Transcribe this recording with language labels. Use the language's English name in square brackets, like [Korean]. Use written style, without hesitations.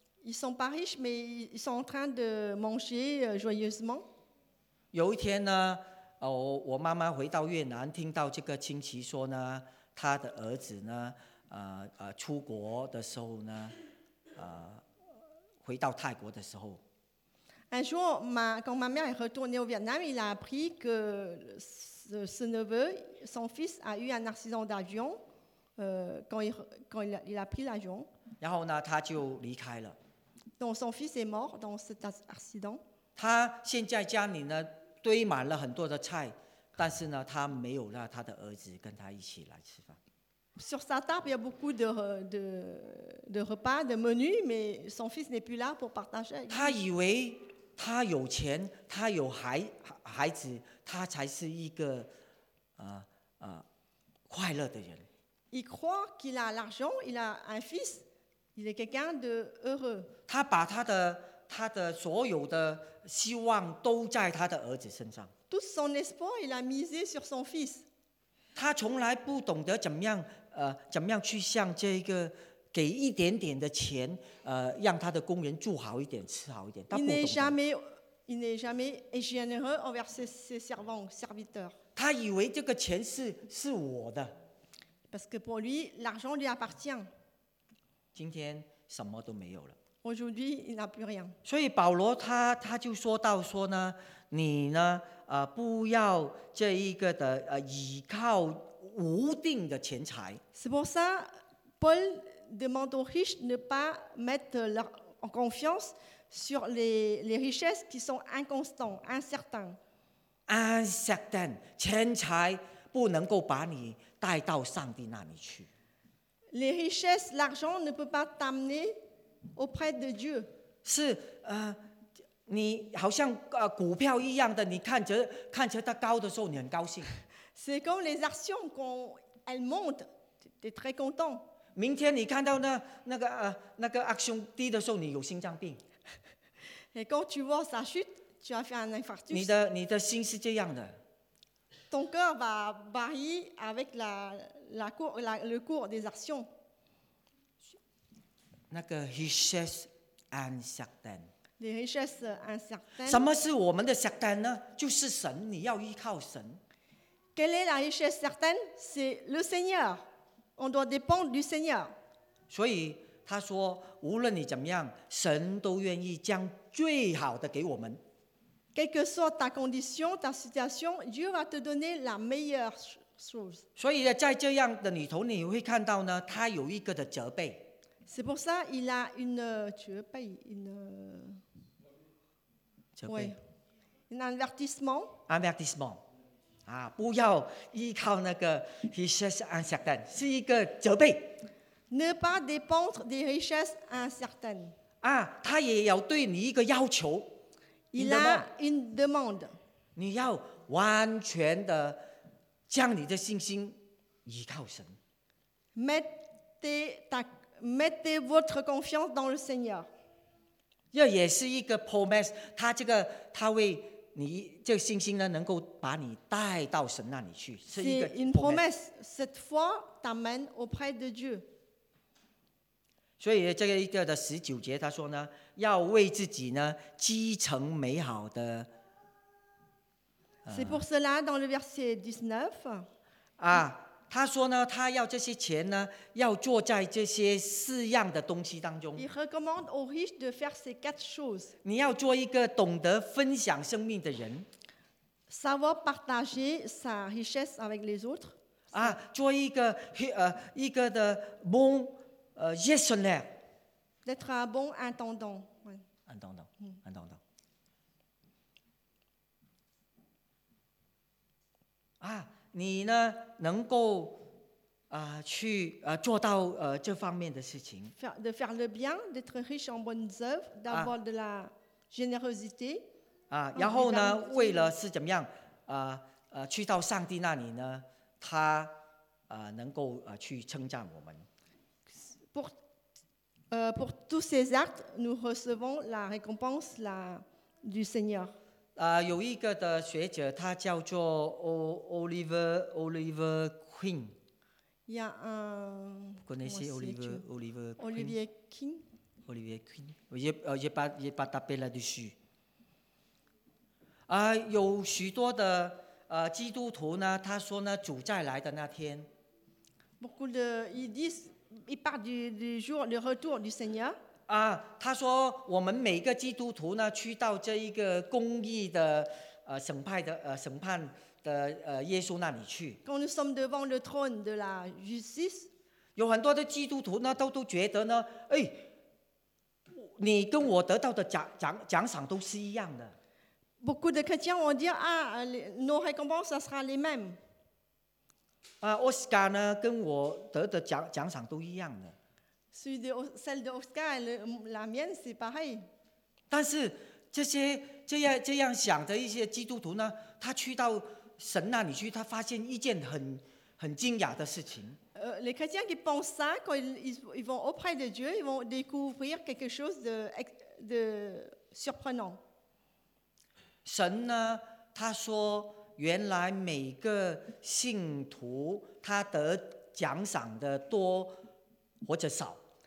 [French] Ils sont pas riches, mais ils sont en train de manger joyeusement. [Chinese] 有一天呢，我妈妈回到越南，听到这个亲戚说呢，他的儿子呢，出国的时候呢，回到泰国的时候。 [French] Un jour, quand ma mère est retournée au Vietnam, il a appris que ce neveu, son fils, a eu un accident d'avion quand il a pris l'avion. [Chinese] 然后呢，他就离开了。 [French] Donc son fils est mort dans cet accident. [Chinese] 他现在家里呢堆满了很多的菜，但是呢，他没有让他的儿子跟他一起来吃饭。 [French] Sur sa table, il y a beaucoup de repas, de menus, mais son fils n'est plus là pour partager. [Chinese] 他以为他有钱，他有孩子，他才是一个快乐的人。 [French] Il croit qu'il a l'argent, il a un fils, il est quelqu'un de heureux. [Chinese] 他把他的所有的希望都在他的儿子身上。 [French] Tout son espoir, il a misé sur son fils. [Chinese] 他从来不懂得怎么样去向这个。给一点点的钱，让他的工人住好一点，吃好一点。 [French] Il n'est jamais généreux envers ses servants, serviteurs. [Chinese] 他以为这个钱是我的。 [French] Parce que pour lui, l'argent lui appartient. [Chinese] 今天什么都没有了。 [French] Aujourd'hui, il n'a plus rien. [Chinese] 所以保罗他就说到说呢，你呢，不要这一个的依靠无定的钱财。 [French] C'est pour ça, Paul. Demande aux riches de ne pas mettre leur confiance sur les richesses qui sont inconstantes, incertaines. [Chinese] Incertaines, 钱财不能够把你带到上帝那里去。 [French] Les richesses, l'argent ne peut pas t'amener auprès de Dieu. [Chinese] 是你好像股票一样的，你看着它高的时候，你很高兴。 [French] C'est comme les actions quand elles montent, t'es très content. [Chinese] 明天你看到那个 action 低的时候，你有心脏病。 [French] Et quand tu vois sa chute, tu vas faire un infarctus. [Chinese] 你的心是这样的。 [French] Ton cœur va varier avec le cours des actions. [Chinese] 那个 richesse [English] uncertain。 [French] Les richesses incertaines。 [Chinese] 什么是我们的 certain 呢？就是神，你要依靠神。 [French] Quelle est la richesse certaine? C'est le Seigneur. On doit dépendre du Seigneur. [Chinese] 所以他说，无论你怎么样，神都愿意将最好的给我们。 [French] Quelle que soit ta condition, ta situation, Dieu va te donner la meilleure chose. [Chinese] 所以在这样的里头，你会看到呢，他有一个的责备。 [French] C'est pour ça qu'il a une, tu veux pas, une, oui, un avertissement. Avertissement. [Chinese] 啊，不要依靠那个 [French] richesse incertaine， [Chinese] 是一个责备。 [French] Ne pas dépendre des richesses incertaines. [Chinese] 啊，他也要对你一个要求。 [French] Il a une demande. [Chinese] 你要完全的将你的信心依靠神。 [French] Mettez votre confiance dans le Seigneur. [Chinese] 这也是一个 promise， 他这个他为你这个信心呢，能够把你带到神那里去，是一个 [English] promise。 [French] Une promesse, cette foi t'amène auprès de Dieu. [Chinese] 所以这个一个的十九节他说呢，要为自己呢积成美好的。 [French] C'est pour cela dans le verset 19. 啊。 [Chinese] 他说呢，他要这些钱呢，要做在这些四样的东西当中。 [French] Il recommande aux riches de faire ces quatre choses. [Chinese] 你要做一个懂得分享生命的人。 [French] Savoir partager sa richesse avec les autres. [Chinese] 啊，做一个一个的 [French] bon gestionnaire. D'être un bon intendant. Intendant, intendant. 啊。 [Chinese] 你呢能够去做到这方面的事情。 [French] De faire le bien, d'être riche en bonnes œuvres, d'avoir de la générosité. [Chinese] 啊，然后呢，为了是怎么样去到上帝那里呢？他能够去称赞我们。 [French] Pour tous ces actes, nous recevons la récompense la du Seigneur. [Chinese] 有一个的学者，他叫做 Oliver Queen。 Yeah, [French] Oliver Queen? Olivier King. Olivier Queen. Je pas tapé là-dessus. [Chinese] 有许多的基督徒呢，他说呢，主再来的那天。 [French] Beaucoup de, ils disent, ils parlent du jour, le retour du Seigneur. [Chinese] 他说我们每个基督徒呢，去到这一个公义的审判的耶稣那里去。 [French] Quand nous sommes devant le trône de la justice, [Chinese] 有很多的基督徒呢，都觉得呢，哎，你跟我得到的奖赏都是一样的。 [French] Beaucoup de chrétiens ont dit, nos récompenses sera les mêmes. [Chinese] Oscar 呢，跟我得的奖赏都一样的。 [French] Celle d'Oscar, la mienne, c'est pareil. [Chinese] 但是这些这样想的一些基督徒呢，他去到神那里去，他发现一件很惊讶的事情。 [French] Les chrétiens qui pensent ça, quand ils vont auprès de Dieu, ils vont découvrir quelque chose de surprenant. [Chinese] 神呢，他说原来每个信徒他得奖赏的多或者少。